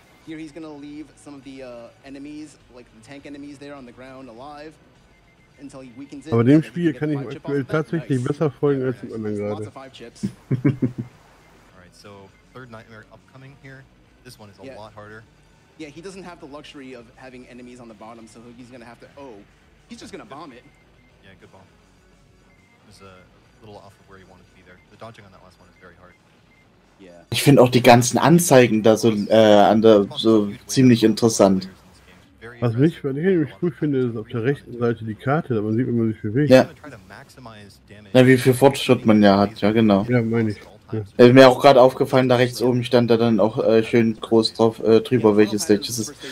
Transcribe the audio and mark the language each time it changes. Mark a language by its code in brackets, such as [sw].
[en] Here he's gonna leave some of the enemies, like the tank enemies there on the ground alive, until he weakens it. [de] Aber dem Spiel kann ich aktuell tatsächlich besser folgen als dem anderen gerade. [en] Alright, so third nightmare upcoming here. This one is a lot harder. Yeah, he doesn't have the luxury of having enemies on the bottom, so he's gonna have to. Oh, he's just gonna bomb it. Yeah, good bomb. It was a little off of where he wanted to be there. The dodging on that last one is very hard. Yeah. [de] Ich finde auch die ganzen Anzeigen da so an der so ziemlich interessant. Was mich bei dem Spiel finde, ist auf der rechten Seite die Karte, da man sieht, wie man sich bewegt. Ja. Na, wie viel Fortschritt man ja hat, ja genau. Ja, meine ich. Ja. Mir auch gerade aufgefallen, da rechts oben stand da dann auch schön groß drauf drüber, welches Stage es ist.